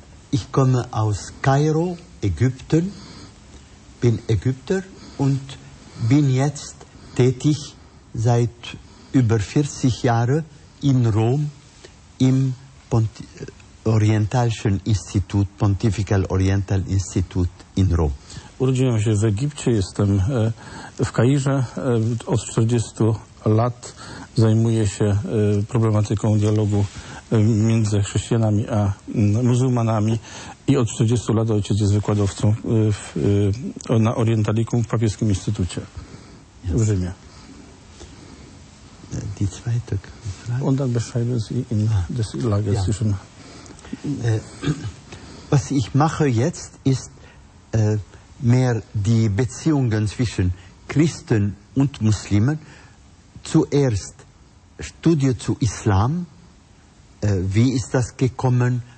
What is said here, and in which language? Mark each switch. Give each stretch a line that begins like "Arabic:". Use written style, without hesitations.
German: Ich komme aus Kairo, Ägypten, bin Ägypter und bin jetzt tätig seit über 40 Jahren in Rom im Orientalischen Institut, Pontifical Oriental Institut in Rom.
Polish: Urodziłem się w Egipcie, jestem w Kairze. Od 40 lat zajmuję się problematyką dialogu między chrześcijanami a muzułmanami i od 40 lat ojciec jest wykładowcą na Orientalikum w Papieskim Instytucie w Rzymie.
German: Die zweite Frage. Und dann beschreiben Sie in das Lager zwischen. Ja. Was ich mache jetzt ist mehr die Beziehungen zwischen Christen und Muslimen. Zuerst Studie zu Islam. Wie ist das gekommen?